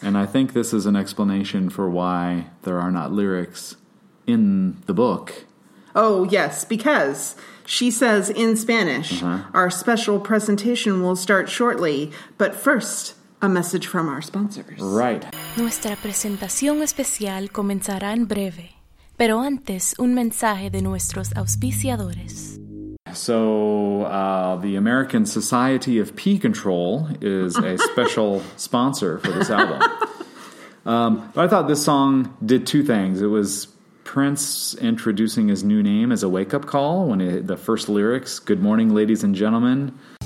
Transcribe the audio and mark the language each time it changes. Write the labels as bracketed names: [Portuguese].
[English] And I think this is an explanation for why there are not lyrics in the book. Oh, yes, because... She says, in Spanish, our special presentation will start shortly, but first, a message from our sponsors. Right. [Spanish] Nuestra presentación especial comenzará en breve, pero antes, un mensaje de nuestros auspiciadores. [English] So, the American Society of Pea Control is a special sponsor for this album. But I thought this song did two things. It was... Prince introducing his new name as a wake-up call when the first lyrics, good morning, ladies and gentlemen.